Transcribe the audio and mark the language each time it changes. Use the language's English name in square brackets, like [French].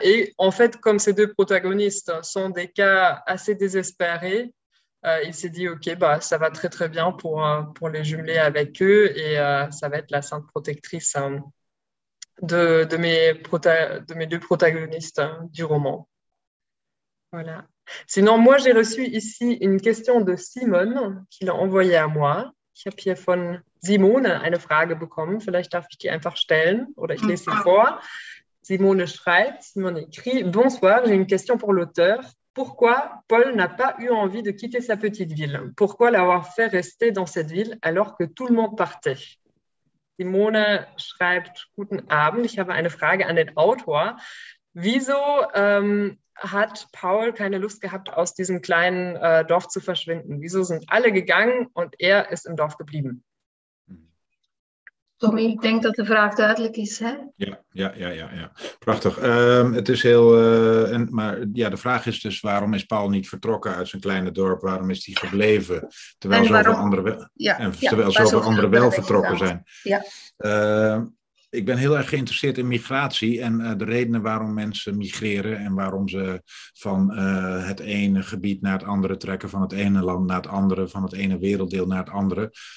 [French] Et en fait, comme ces deux protagonistes sont des cas assez désespérés, il s'est dit, OK, bah, ça va très, très bien pour les jumeler avec eux et ça va être la sainte protectrice de mes deux protagonistes du roman. Voilà. Sinon, moi, j'ai reçu ici une question de Simone qu'il a envoyée à moi. [German] Ich habe hier von Simone eine Frage bekommen. Vielleicht darf ich die einfach stellen oder ich lese sie vor. Simone schreibt, [French] Simone écrit, bonsoir, j'ai une question pour l'auteur. Pourquoi Paul n'a pas eu envie de quitter sa petite ville? Pourquoi l'avoir fait rester dans cette ville alors que tout le monde partait? [German] Simone schreibt, guten Abend, ich habe eine Frage an den Autor. Wieso hat Paul keine Lust gehabt, aus diesem kleinen Dorf zu verschwinden? Wieso sind alle gegangen und er ist im Dorf geblieben? Tom, ich denke, dass die Frage deutlich ist. Hè? [Dutch] Ja. Prachtig. Het is heel, maar ja, de vraag is dus, waarom is Paul niet vertrokken uit zijn kleine dorp? Waarom is hij gebleven, terwijl zoveel anderen wel vertrokken zijn? Ja. Ik ben heel erg geïnteresseerd in migratie en de redenen waarom mensen migreren en waarom ze van het ene gebied naar het andere trekken, van het ene land naar het andere, van het ene werelddeel naar het andere.